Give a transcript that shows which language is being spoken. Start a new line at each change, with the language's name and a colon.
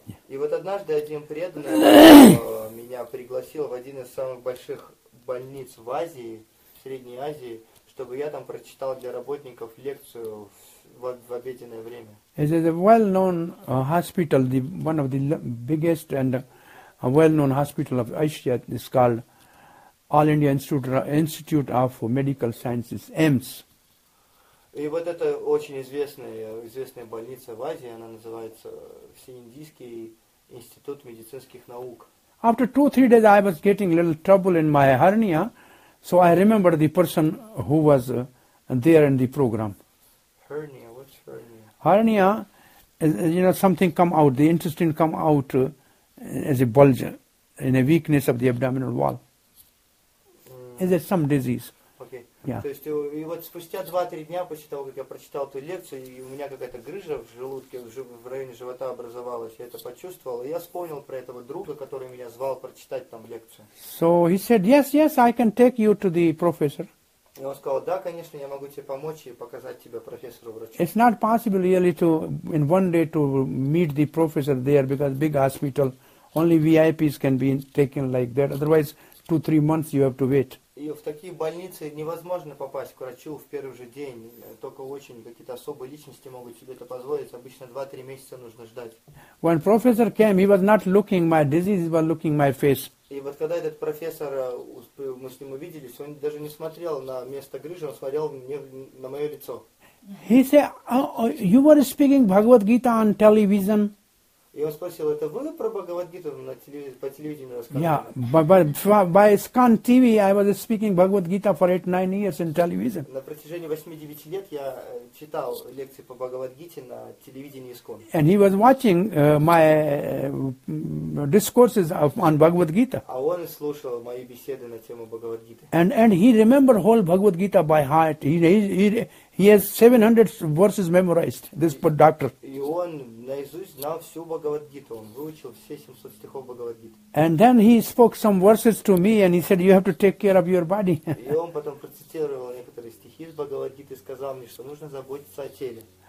Russian: И вот однажды один преданный меня пригласил в один из самых больших больниц в Азии, в Средней Азии, чтобы я там прочитал для работников лекцию в обеденное время.
English: It is a well-known hospital, one of the biggest and well-known hospital of Asia. It's called All India Institute of Medical Sciences, AIIMS.
Russian: И вот это очень известная больница в Азии, она называется Всеиндийский институт медицинских наук.
English: After 2-3 days I was getting a little trouble in my hernia, so I remembered the person who was there in the program. Hernia, what's hernia? Hernia is, you know, something come out, the intestine come out as a bulge, in a weakness of the abdominal wall. Is it some disease? Okay.
Russian: Yeah. То есть, и вот спустя 2-3 дня после того, как я прочитал ту лекцию, и у меня какая-то грыжа в желудке, в районе живота образовалась, я это почувствовал, и я вспомнил про этого друга, который меня звал прочитать там лекцию.
English: So he said, yes, yes, I can take you to the professor.
Russian: И он сказал, да, конечно, я могу тебе помочь и показать тебя профессору врачу.
English: It's not possible really to, in one day, to meet the professor there, because big hospital, only VIPs can be taken like that, otherwise 2-3 months you have to wait.
Russian: И в такие больницы невозможно попасть к врачу в первый же день. Только очень какие-то особые личности могут себе это позволить. Обычно 2-3 месяца нужно ждать.
English: When professor came, he was not looking my disease, he was looking my face.
Russian: И вот когда этот профессор, мы с ним увиделись, он даже не смотрел на место грыжи, он смотрел мне, на мое лицо.
English: He said, oh, you were speaking Bhagavad Gita on television.
Russian: И он спросил, это вы про Бхагавад Гиту на телевидении, по телевидению рассказывали?
English: Yeah, by Scan TV I was speaking Bhagavad Gita for 8-9 years in television.
Russian: На протяжении 8-9 лет я читал лекции по Бхагавад Гите на телевидении Scan.
English: And he was watching my discourses on Bhagavad Gita.
Russian: А он слушал мои беседы на тему Бхагавад Гиты.
English: And he remembered whole Bhagavad Gita by heart. He has 700 verses memorized, this doctor.
Russian: И он наизусть знал всю Бхагавад Гиту, он выучил все 700 стихов Бхагавад Гиты.
English: And then he spoke some verses to me and he said, you have to take care of your body.
Russian: И он потом процитировал некоторые стихи из Бхагавад Гиты и сказал мне, что нужно заботиться о теле.